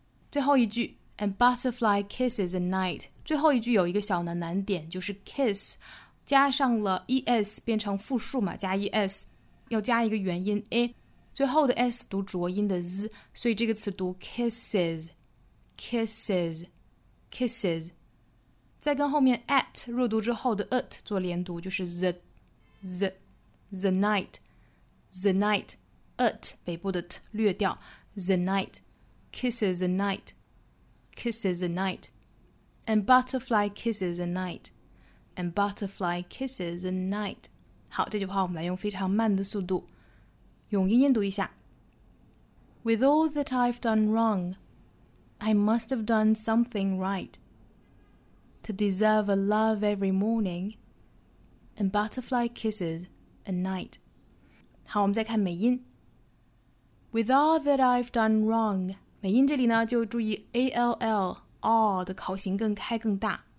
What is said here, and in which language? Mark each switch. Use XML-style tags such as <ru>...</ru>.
<zh>最后一句</zh> <en>and butterfly kisses at night，</en> <zh>最后一句有一个小的难点，就是 kiss 加上了 es 变成复数嘛，加 es 要加一个元音 a，最后的 s 读浊音的 z， 所以这个词读 kisses， kisses， kisses。再跟后面 at 弱读之后的 at 做连读，就是 z z the night， the night， at 尾部的 t 略掉， the night， kisses the night， kisses the night，</zh> <en>and butterfly kisses the night，</en> <zh>and butterfly kisses the night。好，这句话我们来用非常慢的速度用音音读一下。</zh> <en>With all that I've done wrong, I must have done something right, to deserve a love every morning and butterfly kisses at night.</en> <zh>好，我们再看美音。</zh> <en>With all that I've done wrong,</en> <zh>美音这里呢就注意 ALL all 的口型更开更大。</zh>